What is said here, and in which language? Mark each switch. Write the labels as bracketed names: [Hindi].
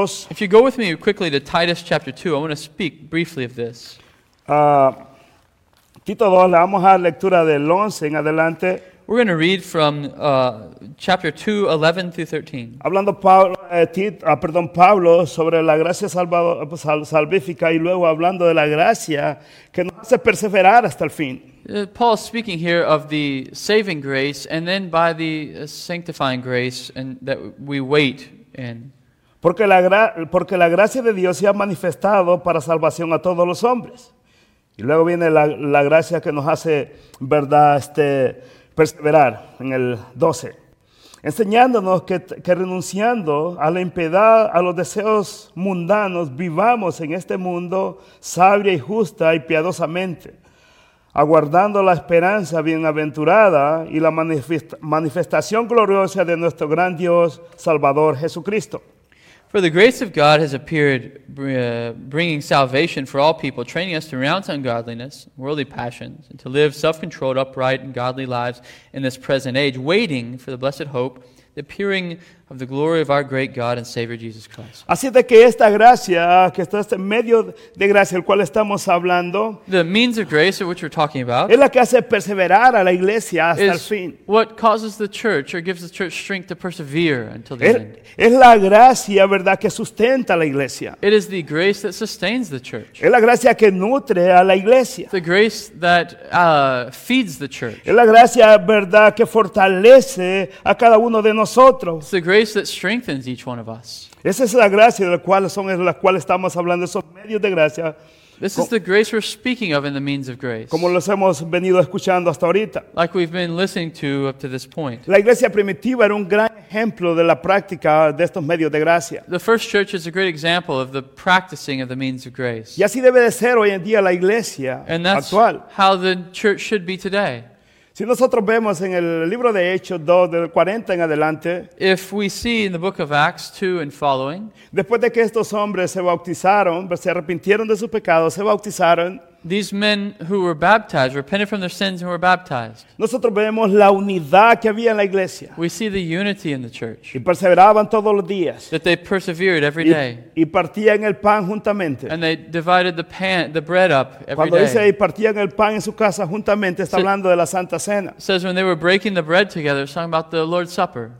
[English] If you go with me quickly to Titus chapter 2, I want to speak briefly of this. [Spanish] Tito 2, le vamos a dar lectura del 11 en adelante. [English] We're going to read from chapter 2, 11 through 13. [Spanish] Hablando Pablo sobre la gracia salvífica y luego hablando de la gracia que nos hace perseverar hasta el fin. [English] Paul is speaking here of the saving grace and then by the sanctifying grace and that we wait. [Spanish] Porque la gracia de Dios se ha manifestado para salvación a todos los hombres. Y luego viene la gracia que nos hace, verdad, perseverar en el 12. Enseñándonos que renunciando a la impiedad, a los deseos mundanos, vivamos en este mundo sabia y justa y piadosamente, aguardando la esperanza bienaventurada y la manifestación gloriosa de nuestro gran Dios, Salvador Jesucristo. [English] For the grace of God has appeared, bringing salvation for all people, training us to renounce ungodliness, worldly passions, and to live self-controlled, upright, and godly lives in this present age, waiting for the blessed hope, the appearing of the glory of our great God and Savior Jesus Christ. [Spanish] Así de que esta gracia, que está este medio de gracia el cual estamos hablando, [English] the means of grace of which we're talking about, [Spanish] es la que hace perseverar a la iglesia hasta el fin. [English] Is what causes the church or gives the church strength to persevere until the end. [Spanish] Es la gracia, verdad, que sustenta a la iglesia. [English] It is the grace that sustains the church. [Spanish] Es la gracia que nutre a la iglesia. [English] The grace that feeds the church. [Spanish] Es la gracia, verdad, que fortalece a cada uno de nosotros. [English] It's the grace that strengthens each one of us. [Spanish] Esa es la gracia de la cual son en la cual estamos hablando, esos medios de gracia. [English] This is the grace we're speaking of in the means of grace. [Spanish] Como los hemos venido escuchando hasta ahorita. [English] Like we've been listening to up to this point. [Spanish] La iglesia primitiva era un gran ejemplo de la práctica de estos medios de gracia. [English] The first church is a great example of the practicing of the means of grace. [Spanish] Y así debe de ser hoy en día la iglesia [English] actual. And that's how the church should be today. [Spanish] Si nosotros vemos en el libro de Hechos 2, del 40 en adelante, [English] if we see in the book of Acts 2 and following, [Spanish] después de que estos hombres se bautizaron, se arrepintieron de sus pecados, se bautizaron, [English] these men who were baptized, repented from their sins and were baptized. [Spanish] Nosotros vemos la unidad que había en la iglesia. [English] We see the unity in the church. [Spanish] Y perseveraban todos los días. [English] That they persevered every day. [Spanish] Y partían el pan juntamente. [English] And they divided the bread up every [Spanish] cuando Cuando dice y partían el pan en su casa juntamente, está hablando de la Santa Cena. [English] It says when they were breaking the bread together, it's talking about the Lord's Supper.